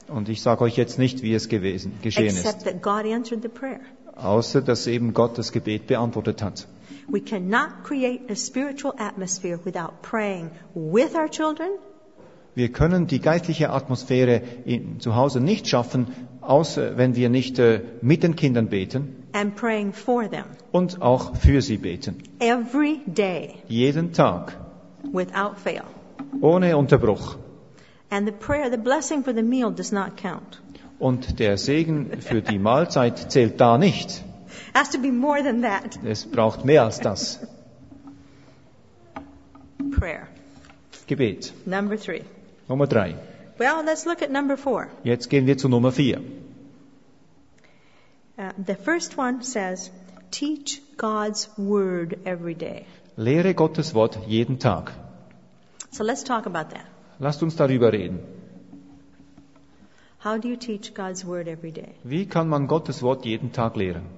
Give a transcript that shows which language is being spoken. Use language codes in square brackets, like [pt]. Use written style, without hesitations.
[de] Und ich sage euch jetzt nicht, wie es geschehen [en] except [de] ist. [en] That God answered the prayer. [de] Außer, dass eben Gott das Gebet beantwortet hat. [en] We cannot create a spiritual atmosphere without praying with our children. [de] Wir können die geistliche Atmosphäre zu Hause nicht schaffen, außer wenn wir nicht mit den Kindern beten. [en] And praying for them. [de] Und auch für sie beten. [en] Every day. [de] Jeden Tag. [en] Without fail. [de] Ohne Unterbruch. [en] And the prayer, the blessing for the meal does not count. [de] Und der Segen für die Mahlzeit zählt da nicht. [en] Has to be more than that. [de] Es braucht mehr als das. [en] Prayer. [de] Gebet. [en] Number 3. [de] Nummer 3. [en] Well, let's look at number 4. [de] Jetzt gehen wir zu Nummer 4. [en] The first one says, teach God's word every day. [de] Lehre Gottes Wort jeden Tag. [en] So let's talk about that. [de] Lasst uns darüber reden. [en] How do you teach God's word every day? [de] Wie kann man Gottes Wort jeden Tag lehren?